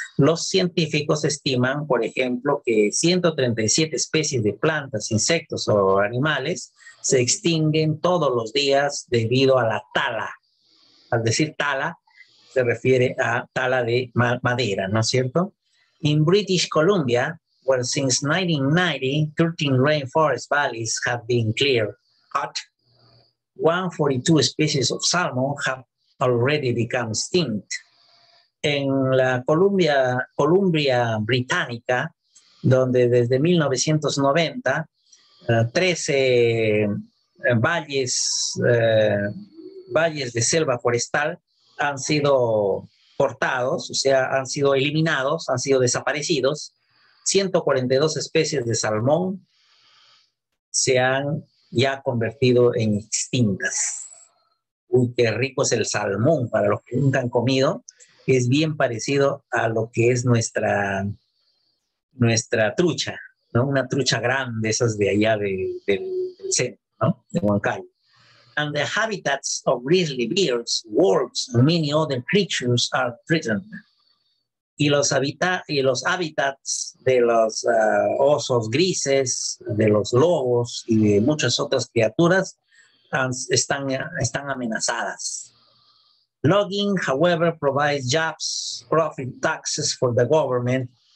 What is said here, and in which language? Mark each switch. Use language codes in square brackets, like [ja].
[es] Los científicos estiman, por ejemplo, que 137 especies de plantas, insectos o animales se extinguen todos los días debido a la tala. Al decir tala, se refiere a tala de madera, ¿no es cierto? [en] In British Columbia, where since 1990, 13 rainforest valleys have been cleared, cut. 142 species of salmon have already become extinct. [es] En la Columbia Británica, donde desde 1990, 13 valles de selva forestal han sido cortados, o sea, han sido eliminados, han sido desaparecidos. 142 especies de salmón se han ya convertido en extintas. Uy, qué rico es el salmón, para los que nunca han comido, es bien parecido a lo que es nuestra trucha, ¿no? Una trucha grande, esas de allá del centro, ¿no? De Huancayo. [en] And the habitats of grizzly bears, wolves, and many other creatures are threatened. [es] Y los hábitats de los osos grises, de los lobos y de muchas otras criaturas están amenazadas. [en] Logging, however, provides jobs, profit, taxes for the government.